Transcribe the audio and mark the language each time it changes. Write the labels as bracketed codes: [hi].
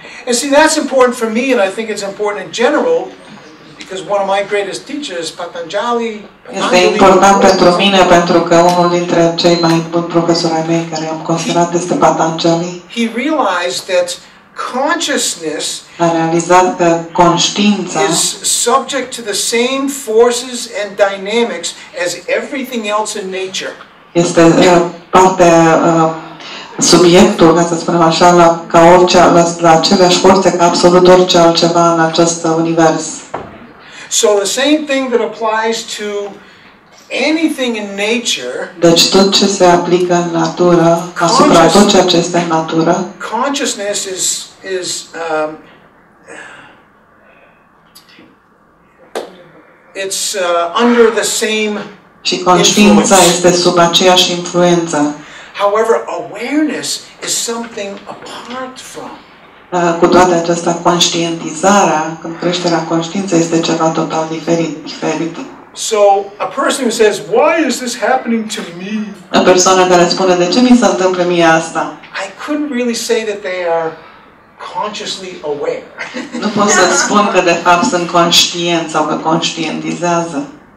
[en] And see, that's important for me, and I think it's important in general, because one of my greatest teachers, Patanjali. [ro] Este important pentru mine pentru că unul dintre cei mai buni profesori ai mei care am considerat este Patanjali. [en] He realized that consciousness. [ro] A realizat că conștiința. [en] Is subject to the same forces and dynamics as everything else in nature. [ro] Este parte. Subiectul, ca să spunem așa, ca orice, la aceleași forțe, ca absolut orice altceva în acest univers. [en] So the same thing that applies to anything in nature. [ro] Deci tot ce se aplică în natură, asupra tot ceea ce este în natură. [en] Consciousness is it's under the same. [ro] Și conștiința este sub aceeași influență. [en] However, awareness is something apart from. [ro] Cu toate acestea, conștientizarea, când creșterea conștiinței este ceva total diferit. [en] So, a person who says, "Why is this happening to me?" [ro] O persoană care spune, "De ce mi se întâmplă mie asta?" [en] I couldn't really say that they are consciously aware. [ro] Nu pot să spun că de fapt sunt conștienți sau că conștientizează.